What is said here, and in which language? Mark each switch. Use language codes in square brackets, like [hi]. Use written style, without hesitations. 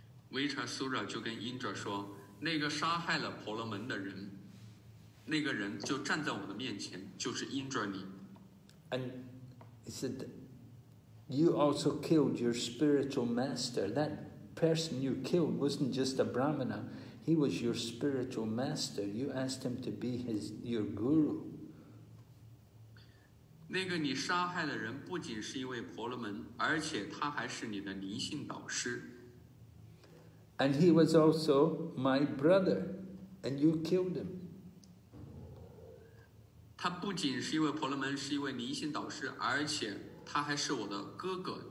[zh] 维查苏拉就跟英哲说，那个杀害了婆罗门的人，那个人就站在我的面前，就是英哲你。 [en] And he said, you also killed your spiritual master. That person you killed wasn't just a Brahmana. He was your spiritual master. You asked him to be your guru. [zh] 那个你杀害的人不仅是一位婆罗门，而且他还是你的灵性导师。 [en] And he was also my brother, and you killed him. [zh] 他不仅是一位婆罗门，是一位灵性导师，而且他还是我的哥哥。